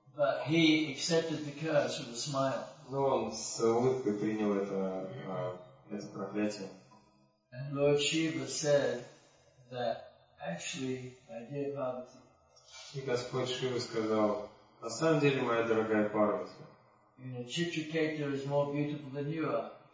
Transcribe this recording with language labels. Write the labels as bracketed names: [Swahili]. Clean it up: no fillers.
[English] But he accepted the curse with a smile. [Russian] Но он с улыбкой принял это проклятие. [English] And Lord Shiva said that actually, my dear Parvati. [Russian] И Господь Шива сказал, на самом деле, моя дорогая Парвати. [English] You know, Chitraketu is more beautiful than you are.